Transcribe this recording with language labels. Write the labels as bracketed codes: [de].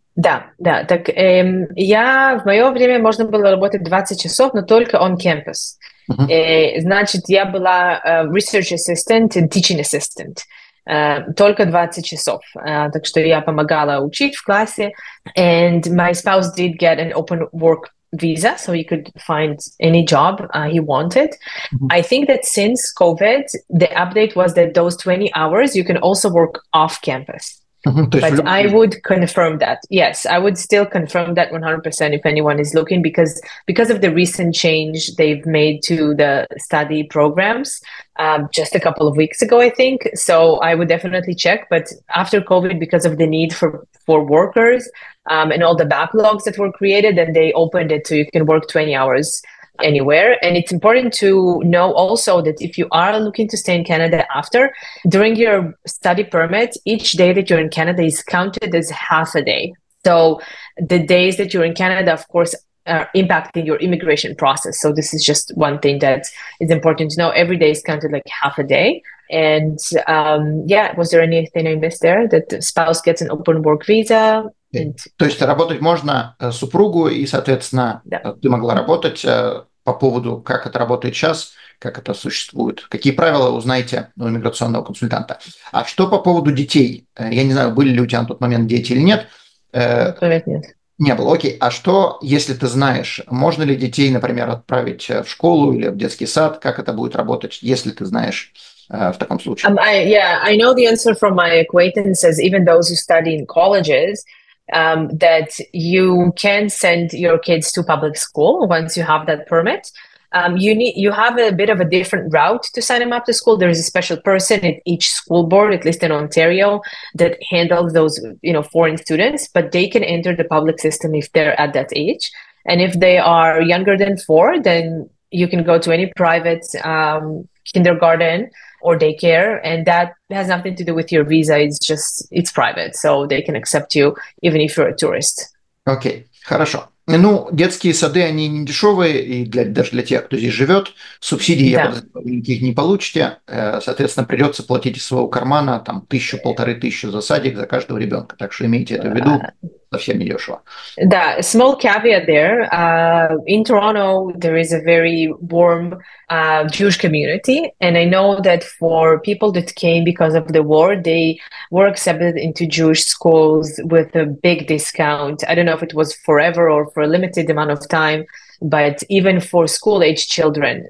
[ru] Да, да. Так в мое время можно было работать 20 часов, но только [en] on campus. [ru] Значит, я была [en] research assistant and teaching assistant. [ru] Только 20 часов. Так что я помогала учить в классе. [en] And my spouse did get an open work visa, so he could find any job he wanted. Mm-hmm. I think that since COVID, the update was that those 20 hours, you can also work off campus. But I would confirm that. Yes, I would still confirm that 100% if anyone is looking, because of the recent change they've made to the study programs just a couple of weeks ago, I think. So I would definitely check. But after COVID, because of the need for workers and all the backlogs that were created, then they opened it so you can work 20 hours anywhere. And it's important to know also that if you are looking to stay in Canada after, during your study permit, each day that you're in Canada is counted as half a day. So the days that you're in Canada, of course, are impacting your immigration process. So this is just one thing that is important to know. Every day is counted like half a day. And was there anything I missed there? That the spouse gets an open work visa? [ru] То есть работать можно супругу, и, соответственно, ты могла работать по поводу, как это работает сейчас, как это существует, какие правила узнаете у иммиграционного консультанта. А что по поводу детей? Я не знаю, были ли у тебя на тот момент дети или нет. Не было, окей. А что, если ты знаешь, можно ли детей, например, отправить в школу или в детский сад, как это будет работать, если ты знаешь? [en] I know the answer from my acquaintances, even those who study in colleges, that you can send your kids to public school once you have that permit. You have a bit of a different route to sign them up to school. There is a special person at each school board, at least in Ontario, that handles those, you know, foreign students, but they can enter the public system if they're at that age. And if they are younger than four, then you can go to any private kindergarten or daycare, and that has nothing to do with your visa, it's private, so they can accept you, even if you're a tourist. [ru] Окей, хорошо. Ну, детские сады, они не дешевые, и даже для тех, кто здесь живет, субсидии, я подозреваю, никаких не получите, соответственно, придется платить из своего кармана там 1000-1500 за садик за каждого ребенка, так что имейте это в виду, совсем не дешево. [en] Да, small caveat there, in Toronto there is a very warm Jewish community, and I know that for people that came because of the war, they were accepted into Jewish schools with a big discount. I don't know if it was forever or for a limited amount of time, but even for school-aged children.